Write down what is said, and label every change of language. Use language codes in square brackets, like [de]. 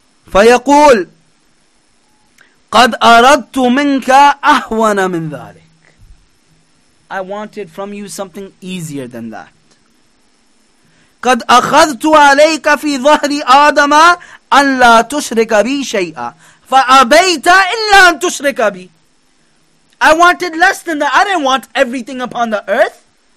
[ar] فيقول قد أردت منك أهون من ذلك. [en] I wanted from you something easier than that. [ar] قد أخذت عليك في ظهر آدم أن لا تشرك بي شيئا فأبيت إلا أن تشرك بي. [en] I wanted less than that. I didn't want everything upon the earth.